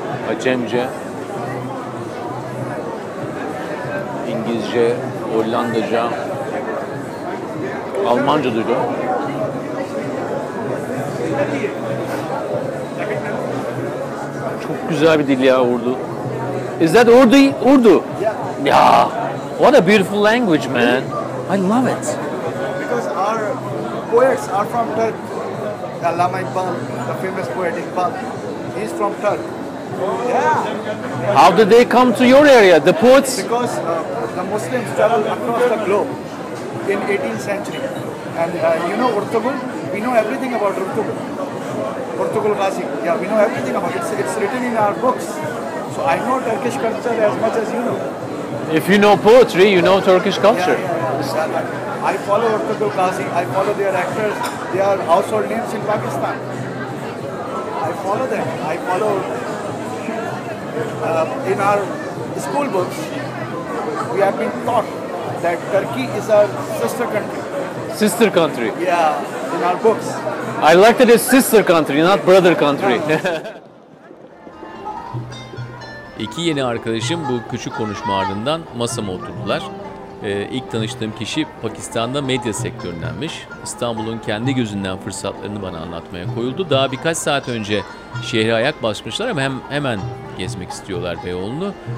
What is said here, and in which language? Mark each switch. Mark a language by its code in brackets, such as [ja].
[tr] Acemce, İngilizce, Hollandaca, Almanca duydum. Çok güzel bir dil ya Urdu. [en] Is that Urdu? Urdu. Yeah. What a beautiful language, man. I love it. Because our poets are from Turk. The Allama Iqbal, the famous poet Iqbal. He's from Turk. Yeah. How did they come to your area, the poets? Because the Muslims traveled across the globe in 18th century. And you know Urtugul? We know everything about Urtugul. Urtugul Ghazi. Yeah, we know everything about it. It's written in our books. So I know Turkish culture as much as you know. If you know poetry, you know Turkish culture. Yeah. I follow Urtugul Ghazi. I follow their actors. They are household names in Pakistan. I follow them. I follow in our school books, we have been taught that Turkey is our sister country. Sister country? Yeah, in our books. I like that it's sister country, not brother country. [tr] İki yeni arkadaşım bu küçük konuşma ardından masama oturdular. İlk tanıştığım kişi Pakistan'da medya sektöründenmiş. İstanbul'un kendi gözünden fırsatlarını bana anlatmaya koyuldu. Daha birkaç saat önce şehre ayak basmışlar ama hemen gezmek istiyorlar Beyoğlu'nu.